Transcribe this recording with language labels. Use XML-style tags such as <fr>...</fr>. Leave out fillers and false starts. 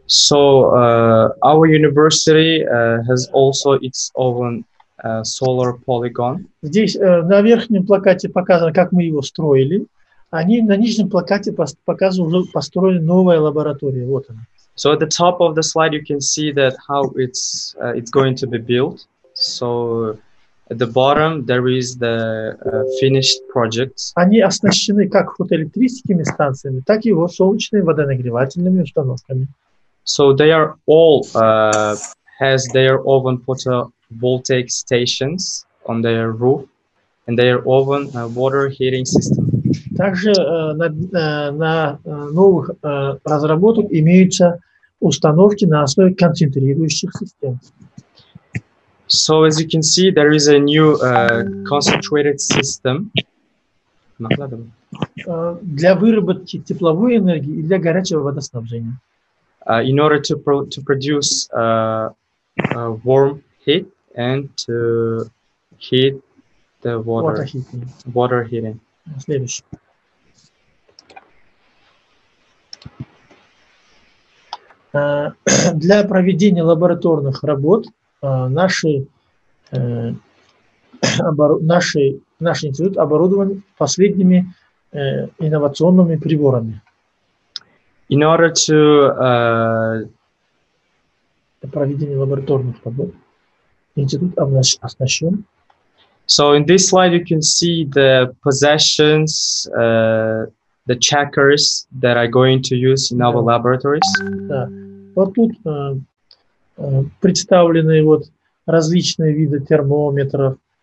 <en>So our university has also its own solar polygon.</en> <ru>Здесь на верхнем плакате показано, как мы его строили. Они на нижнем плакате показывают, уже построили новая лаборатория. Вот она.</ru> <en>So at the top of the slide you can see that how it's going to be built. So at the bottom there is the finished project.</en> <ru>Они оснащены как фотоэлектрическими станциями, так и вот солнечными водонагревательными установками.</ru> <en>So they are all has their own photovoltaic stations on their roof and their own water heating system.</en> <ru>Также на новых разработках имеются установки на основе концентрирующих систем.</ru> <en>So as you can see, there is a new concentrated system.</en> <ru>Для выработки тепловой энергии и для горячего водоснабжения.</ru> <en>In order to produce warm heat and to heat the water heating.</en> <ru>Следующий. Для проведения лабораторных работ наш институт оборудован последними инновационными приборами.</ru> <en>In order to</en> <ru>проведение лабораторных работ институт оснащен.</ru> <en>So in this slide you can see the possessions, the checkers that are going to use in our laboratories.</en> <ru>Да. Вот тут представлены вот различные виды термометров,</ru>